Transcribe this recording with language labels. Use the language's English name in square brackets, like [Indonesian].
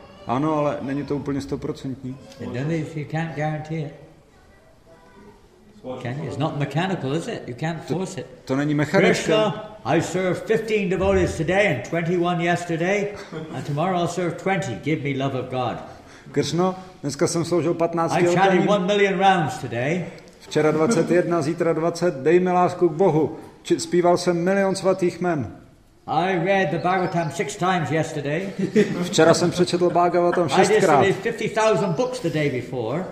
[Czech] Ano, ale není to úplně stoprocentní. [English] It doesn't, if you can't guarantee it. Can you? It's not mechanical, is it? You can't force it. [Czech] To není mechanické. [English] Krishna, I served 15 devotees today and 21 yesterday, and tomorrow I'll serve 20. Give me love of God. [Czech] Krishna, dneska jsem sloužil 15. [English] I chanted 1 million rounds today. [Czech] Včera 21, zítra 20. Dej mi lásku k Bohu. Zpíval jsem milion svatých jmen. [English] I read the Bhagavatam 6 times yesterday. [Czech] Včera jsem přečetl Bhagavatam 6krát. [English] I just read 50,000 books the day before.